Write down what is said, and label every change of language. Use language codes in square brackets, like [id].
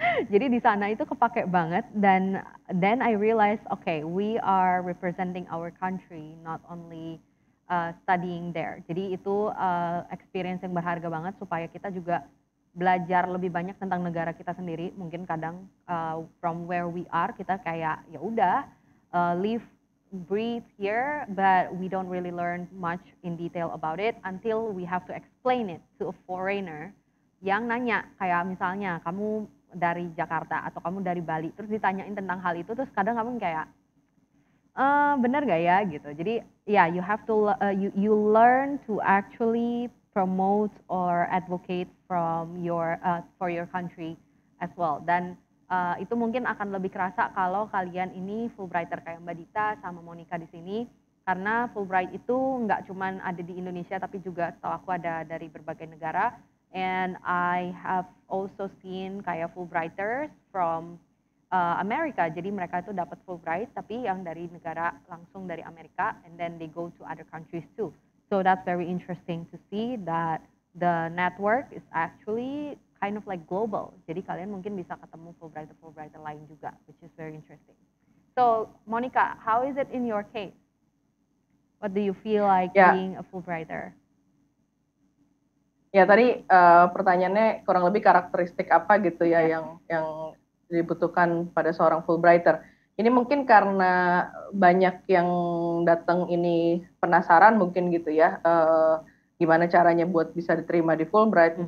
[id] Jadi di sana itu kepake banget, dan [en] then I realized okay, we are representing our country, not only studying there. [id] Jadi itu experience yang berharga banget supaya kita juga belajar lebih banyak tentang negara kita sendiri. Mungkin kadang [en] from where we are [id] kita kayak ya udah [en] live breathe here, but we don't really learn much in detail about it until we have to explain it to a foreigner [id] yang nanya, kayak misalnya kamu dari Jakarta atau kamu dari Bali terus ditanyain tentang hal itu, terus kadang kamu kayak benar gak ya gitu. Jadi ya [en] yeah, you have to you learn to actually promote or advocate from your for your country as well. [id] Dan itu mungkin akan lebih kerasa kalau kalian ini Fulbrighter kayak Mbak Dita sama Monica di sini, karena Fulbright itu nggak cuman ada di Indonesia tapi juga setahu aku ada dari berbagai negara. [en] And I have also seen [id] kayak Fulbrighters from Amerika, jadi mereka itu dapat Fulbright tapi yang dari negara langsung dari Amerika, [en] and then they go to other countries too. So that's very interesting to see that the network is actually kind of like global. [id] Jadi kalian mungkin bisa ketemu Fulbrighter-Fulbrighter lain juga, [en] which is very interesting. So Monica, how is it in your case? What do you feel like being a Fulbrighter? [id] Ya tadi pertanyaannya kurang lebih karakteristik apa gitu ya yang dibutuhkan pada seorang Fulbrighter. Ini mungkin karena banyak yang datang ini penasaran mungkin gitu ya, gimana caranya buat bisa diterima di Fulbright.